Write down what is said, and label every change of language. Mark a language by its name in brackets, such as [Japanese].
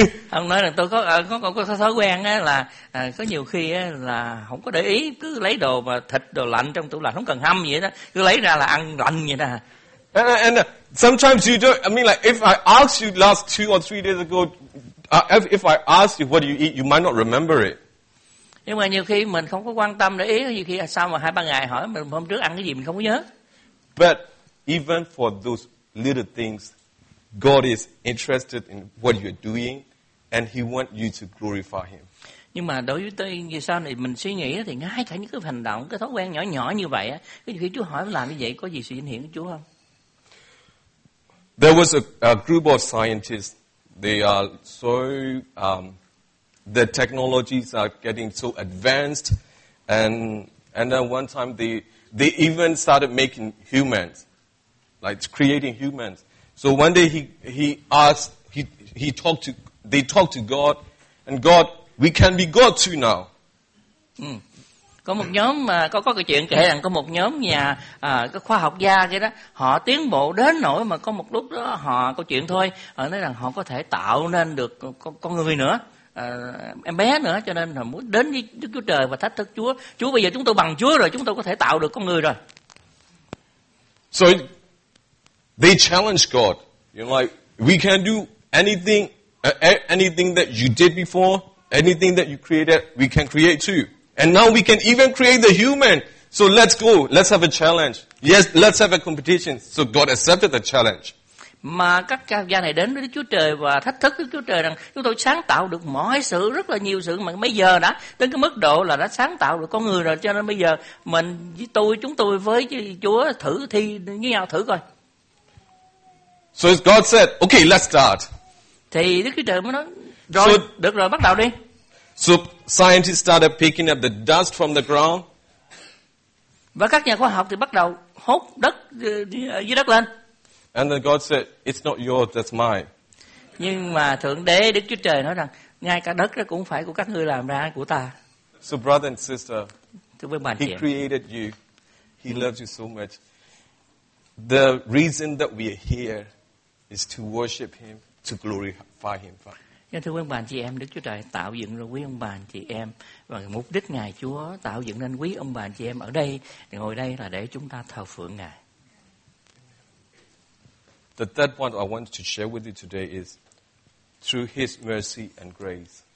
[Vietnamese] Ông nói là tôi có thói quen là có nhiều khi là không có để ý, cứ lấy đồ mà thịt, đồ lạnh trong tủ lạnh, không cần hâm vậy đó, cứ lấy ra là ăn lạnh vậy đó. [English] And sometimes you don't, I mean, like, if I asked you last 2 or 3 days ago, if I asked you what you eat, you might not remember it. [Vietnamese] Nhưng mà nhiều khi mình không có quan tâm để ý, nhiều khi sao mà 2-3 ngày hỏi mình hôm trước ăn cái gì mình không có nhớ. [English] But even for those little things, God is interested in what you're doing and he want you to glorify him. [Vietnamese] Nhưng mà đối với tôi như sau này mình suy nghĩ thì ngay cả những cái hành động, cái thói quen nhỏ nhỏ như vậy á, cái khi Chúa hỏi làm như vậy có gì sự vinh hiển của Chúa không? [English] There was a group of scientists. They are so the technologies are getting so advanced, and then one time they even started making humans, like creating humans. So one day they talked to God, and God, we can be God too now. [Vietnamese] Có một nhóm mà có chuyện kể rằng có một nhóm nhà cái khoa học gia kia đó, họ tiến bộ đến nỗi mà có một lúc đó họ có chuyện thôi, họ nói rằng họ có thể tạo nên được con người nữa. Em bé nữa, cho nên là muốn đến với Đức Chúa Trời và thách thức Chúa. Chúa, bây giờ chúng tôi bằng Chúa rồi, chúng tôi có thể tạo được con người rồi. [English] So they challenge God. You know, like we can do anything that you did before, anything that you created, we can create too. And now we can even create the human. So let's go. Let's have a challenge. Yes, let's have a competition. So God accepted the challenge. [Vietnamese] Mà các cha gia này đến với Chúa Trời và thách thức với Chúa Trời rằng chúng tôi sáng tạo được mọi sự, rất là nhiều sự mà bây giờ đã tới cái mức độ là đã sáng tạo được con người rồi, cho nên bây giờ mình với tôi, chúng tôi với Chúa thử thi với nhau thử coi. [English] So as God said, okay, let's start. [Vietnamese] Thì Đức Chúa Trời mới nói rồi, so, được rồi, bắt đầu đi. [English] So scientists started picking up the dust from the ground. [Vietnamese] Và các nhà khoa học thì bắt đầu hốt đất dưới đất lên. [English] And then God said, "It's not yours, that's mine." [Vietnamese] Nhưng mà Thượng Đế Đức Chúa Trời nói rằng ngay cả đất đó cũng phải của các ngươi làm ra, của ta. [English] So brother and sister, He created you. He loves you so much. The reason that we are here is to worship Him, to glorify Him. [Vietnamese] Nhưng thưa quý ông bà chị em, Đức Chúa Trời tạo dựng rồi quý ông bà chị em, và mục đích Ngài Chúa tạo dựng nên quý ông bà chị em ở đây ngồi đây là để chúng ta thờ phượng Ngài. [English] The third point I want to share with you today is through His mercy and grace.